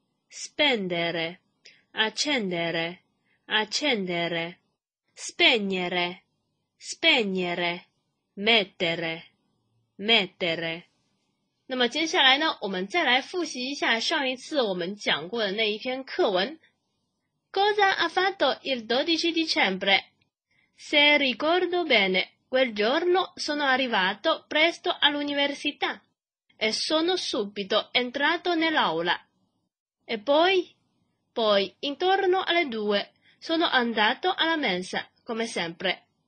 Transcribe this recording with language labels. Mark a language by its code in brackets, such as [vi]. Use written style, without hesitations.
[it] spendere, accendere, accendere, spegnere, spegnere, mettere, mettere。 [zh] 那么接下来呢，我们再来复习一下上一次我们讲过的那一篇课文。 [it] Cosa ha fatto il 12 dicembre? Se ricordo bene, quel giorno sono arrivato presto all'università e sono subito entrato nell'aula. E poi? Poi, intorno alle 2, sono andato alla mensa, come sempre.